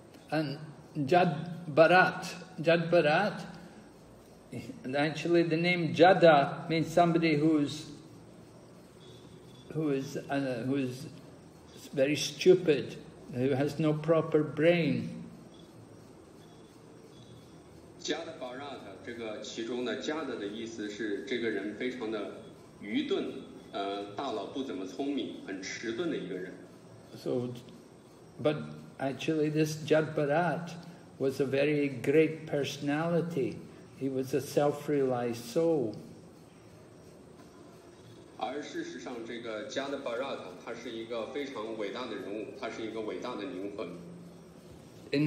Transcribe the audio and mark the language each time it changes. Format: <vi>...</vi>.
<en>And Jad Bharat, actually the name Jada means somebody who is very stupid, who has no proper brain. Jada Bharat.</en> <zh>这个其中的家的意思是这个人非常的愚钝，大脑不怎么聪明，很迟钝的一个人。So,</zh> <en>but actually, this Jad Bharat was a very great personality. He was a self-realized soul.</en> <zh>而事实上，这个Jad Bharat 他是一个非常伟大的人物，他是一个伟大的灵魂。In</zh>